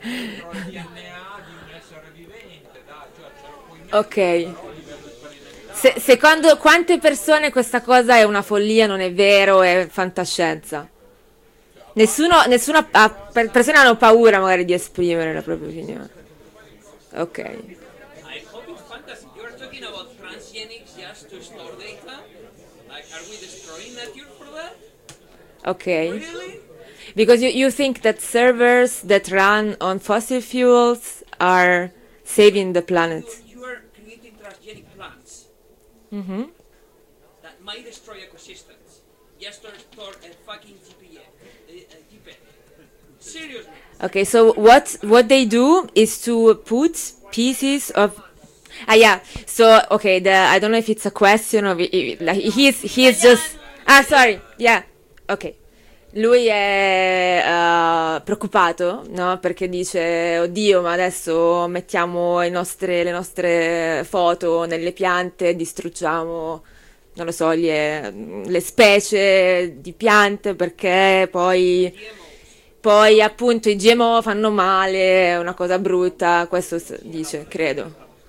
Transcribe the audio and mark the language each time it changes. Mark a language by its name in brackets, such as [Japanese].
[Italian] Il DNA di un essere vivente, dai. Cioè, ce lo puoi mettere, ok. Però, secondo quante persone questa cosa è una follia, non è vero, è fantascienza? Nessuno ha, persone hanno paura magari di esprimere la propria opinione. Ok. [English] I hope it's fantasy. You are talking about transgenic just to store data? Like, are we destroying nature for that? Ok. Really? Because you think that servers that run on fossil fuels are saving the planet. You are creating transgenic plants. Mm-hmm. That might destroy ecosystems. Just to store a fucking Okay, so what they do is to put pieces of I don't know if it's a question or like he's just sorry, yeah. [Italian] Okay. Lui è preoccupato, no? Perché dice "Oddio, ma adesso mettiamo le nostre foto nelle piante, distruggiamo non lo so, le specie di piante perché poi poi appunto i GMO fanno male, è una cosa brutta", questo dice, credo.